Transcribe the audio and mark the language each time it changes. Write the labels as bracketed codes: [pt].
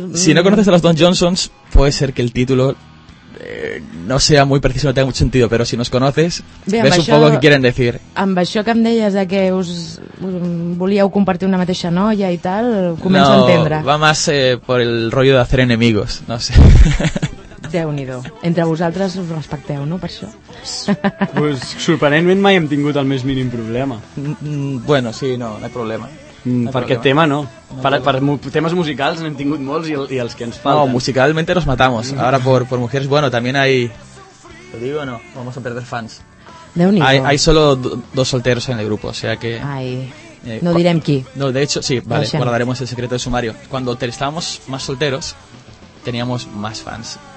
[es] Si no conoces a los Don Johnsons, puede ser que el título no sea muy preciso, no tenga mucho sentido, pero si nos conoces, bé, ves un poco qué quieren decir. [ca] Amb això que em deies de que us volíeu compartir una mateixa noia i tal, començo a entendre. [es] No, va más por el rollo de hacer enemigos, no sé... [ca] Déu-n'hi-do. Entre vosaltres us respecteu, no, per això? Pues, sorprenentment mai hem tingut el més mínim problema. Bueno, sí, no hi ha problema. Per aquest tema, no. Per temes musicals n'hem tingut molts i els que ens falten. [es] No, musicalmente nos matamos. Ahora por mujeres, bueno, también hay... ¿Te digo o no? Vamos a perder fans. [ca] Déu-n'hi-do. [es] Hay solo dos solteros en el grupo, o sea que... [ca] Ay. No direm qui. [es] No, de hecho, sí, vale, guardaremos el secreto de sumario. Cuando estábamos más solteros, teníamos más fans.